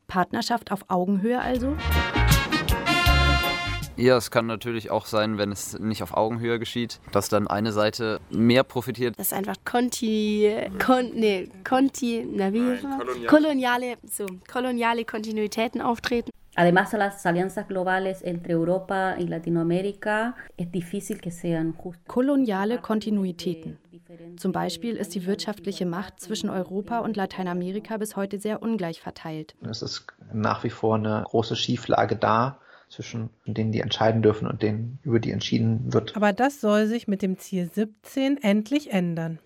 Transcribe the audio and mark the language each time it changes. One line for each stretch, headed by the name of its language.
German: Partnerschaft auf Augenhöhe also? Ja, es kann natürlich auch sein, wenn es nicht auf Augenhöhe geschieht, dass dann eine Seite mehr profitiert. Das ist einfach koloniale Kontinuitäten auftreten.
Spanish: Además, las alianzas globales entre Europa y Latinoamérica es difícil que sean justas.
German: Koloniale Kontinuitäten. Zum Beispiel ist die wirtschaftliche Macht zwischen Europa und Lateinamerika bis heute sehr ungleich verteilt. Es ist nach wie vor eine große Schieflage da zwischen denen, die entscheiden dürfen und denen, über die entschieden wird. Aber das soll sich mit dem Ziel 17 endlich ändern.